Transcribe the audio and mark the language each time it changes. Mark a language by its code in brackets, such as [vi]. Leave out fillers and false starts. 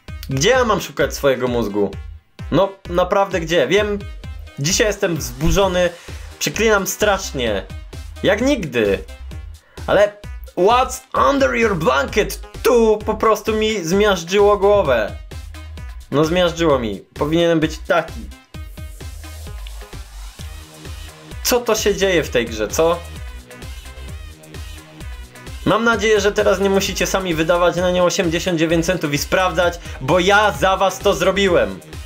[pl] Gdzie ja mam szukać swojego mózgu? No, naprawdę gdzie? Wiem, dzisiaj jestem wzburzony, przeklinam strasznie. Jak nigdy. Ale [en] what's under your blanket? [pl] Tu po prostu mi zmiażdżyło głowę. No, zmiażdżyło mi. Powinienem być taki. Co to się dzieje w tej grze, co? Mam nadzieję, że teraz nie musicie sami wydawać na nie 89 centów i sprawdzać, bo ja za was to zrobiłem.